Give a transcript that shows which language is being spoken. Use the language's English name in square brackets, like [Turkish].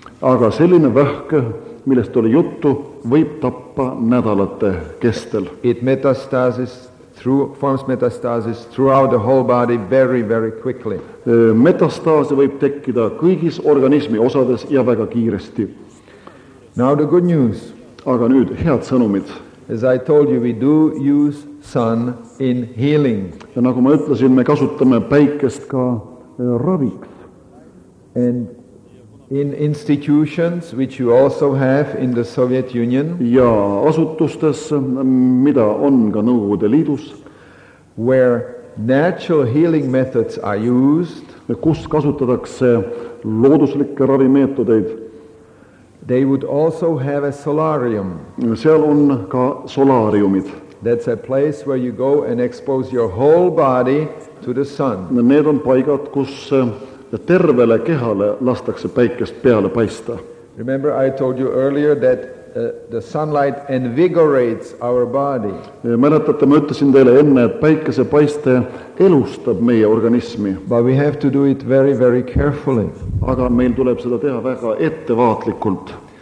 [Estonian] Aga selline vähk, millest oli juttu, võib tappa nädalate kestel. [English] It metastasis through forms metastasis throughout the whole body very, very quickly. [Estonian] Metastaasi võib tekkida kõigis organismi osades ja väga kiiresti. [English] Now the good news. [Estonian] Aga nüüd head sõnumid. [English] As I told you, we do use sun in healing. [Estonian] Ja nagu ma ütlesin, me kasutame päikest ka raviks. [English] And in institutions which you also have in the Soviet Union. [Estonian] Ja asutustes, mida on ka Nõukogude Liidus, [English] where natural healing methods are used, [Estonian] kus kasutatakse looduslikke ravimeetodeid, [English] they would also have a solarium. [Estonian] Seal on ka solariumid. [English] That's a place where you go and expose your whole body to the sun. [Estonian] Need on paigad, kus tervele kehale lastakse päikest peale paista. [English] Remember, I told you earlier that the sunlight invigorates our body. [Estonian] Mäletate, ma ütlesin teile enne, et päikese paiste elustab meie organismi. [English] But we have to do it very, very carefully. [Estonian] Aga meil tuleb seda teha väga ettevaatlikult.